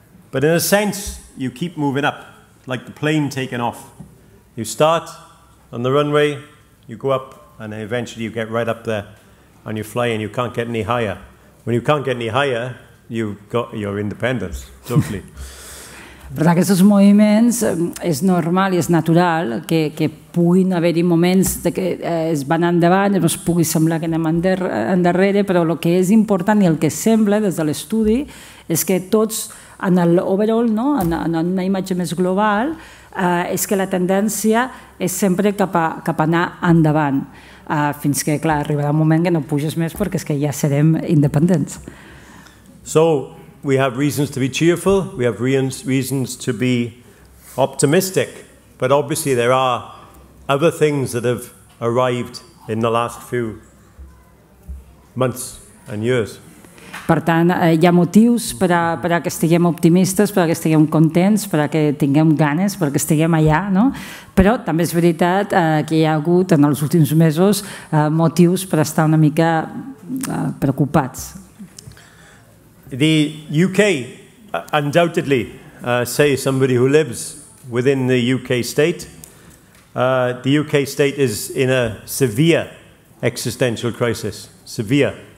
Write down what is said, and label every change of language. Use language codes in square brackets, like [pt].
[en] But in a sense, you keep moving up, like the plane taking off. You start on the runway, you go up, and eventually you get right up there, and you fly, and you can't get any higher. When you can't get any higher, you've got your independence, totally. [ca] Per tant, aquests moviments és normal i és natural que puguin haver-hi moments que es van endavant i no es pugui semblar que anem endarrere, però el que és important i el que sembla des de l'estudi és que tots... [en] en l'overall, [ca] no? En una imatge més global, és que la tendència és sempre cap a anar endavant, fins que, clar, arribarà un moment que no puges més perquè és que ja serem independents. [en] So, we have reasons to be cheerful, we have reasons to be optimistic, but obviously there are other things that have arrived in the last few months and years. [ca] Per tant, hi ha motius per a que estiguem optimistes, per a que estiguem contents, per a que tinguem ganes, per a que estiguem allà, no? Però també és veritat que hi ha hagut en els últims mesos motius per estar una mica preocupats. [en] The UK, undoubtedly, say somebody who lives within the UK state, the UK state is in a severe existential crisis, severe.